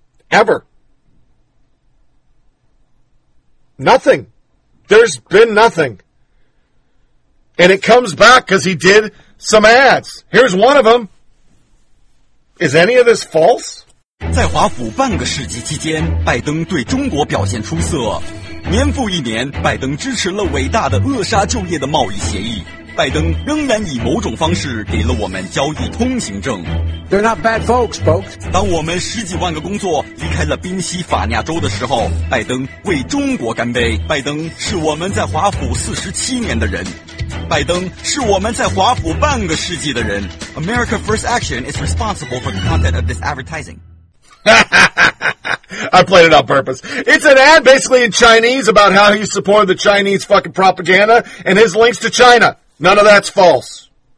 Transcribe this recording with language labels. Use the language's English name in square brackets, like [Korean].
[English] Ever. Nothing. There's been nothing. And it comes back because he did some ads. Here's one of them. Is any of this false? [Chinese] 在华府半个世纪期间，拜登对中国表现出色。年复一年，拜登支持了伟大的扼杀就业的贸易协议。拜登仍然以某种方式给了我们交易通行证。 [English] They're not bad folks, folks. [Chinese] 当我们十几万个工作离开了宾夕法尼亚州的时候，拜登为中国干杯。拜登是我们在华府47年的人。拜登是我们在华府半个世纪的人。 [English] America First Action is responsible for the content of this advertising. I played it on purpose. It's an ad basically in Chinese about how he supported the Chinese fucking propaganda and his links to China. None of that's false.